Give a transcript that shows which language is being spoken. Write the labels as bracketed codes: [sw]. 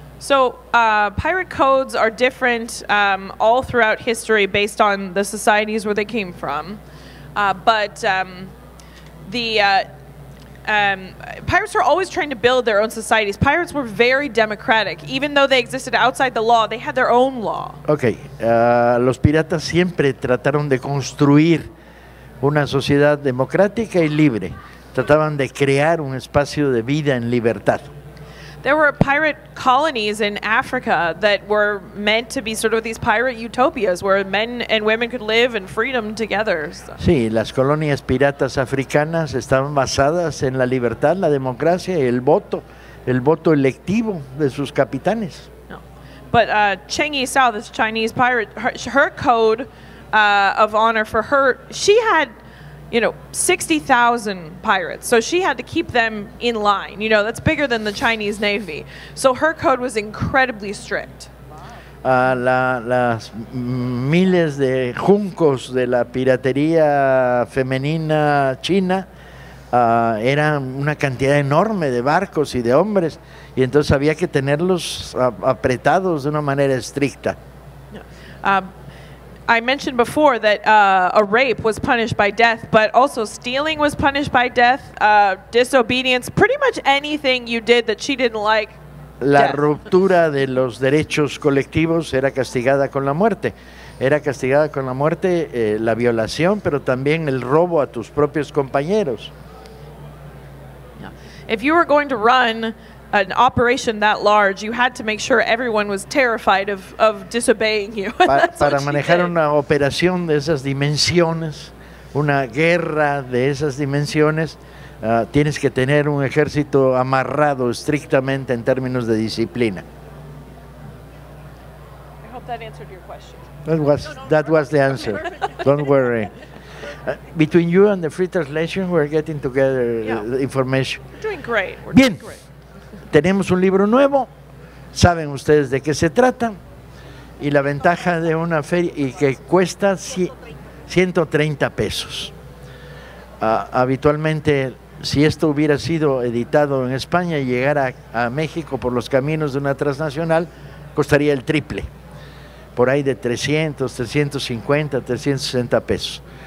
[en] So pirate codes are different all throughout history based on the societies where they came from. Pirates are always trying to build their own societies. Pirates were very democratic. Even though they existed outside the law, they had their own law. Okay. [es] Los piratas siempre trataron de construir una sociedad democrática y libre. Trataban de crear un espacio de vida en libertad. [en] There were pirate colonies in Africa that were meant to be sort of these pirate utopias where men and women could live in freedom together. So. [es] Sí, las colonias piratas africanas estaban basadas en la libertad, la democracia y el voto electivo de sus capitanes. No. [en] But Cheng Yi Sao, this Chinese pirate, her code of honor for her, she had, you know, 60,000 pirates. So she had to keep them in line. You know, that's bigger than the Chinese Navy. So her code was incredibly strict. [es] Las miles de juncos de la piratería femenina china eran una cantidad enorme de barcos y de hombres. Y entonces había que tenerlos apretados de una manera estricta. [en] I mentioned before that a rape was punished by death, but also stealing was punished by death, disobedience, pretty much anything you did that she didn't like. [es] La [en] death. [es] Ruptura de los derechos colectivos era castigada con la muerte. Era castigada con la muerte, la violación, pero también el robo a tus propios compañeros. Yeah. [en] If you were going to run an operation that large, you had to make sure everyone was terrified of disobeying you. [es] Para manejar una operación de esas dimensiones, una guerra de esas dimensiones, tienes que tener un ejército amarrado estrictamente en términos de disciplina. [en] I hope that answered your question. That was the answer. Don't worry. Between you and the free translation, we're getting together the information. We're doing great. [es] Bien. Tenemos un libro nuevo, saben ustedes de qué se trata, y la ventaja de una feria, y que cuesta 130 pesos. Habitualmente, si esto hubiera sido editado en España y llegara a México por los caminos de una transnacional, costaría el triple, por ahí de 300, 350, 360 pesos.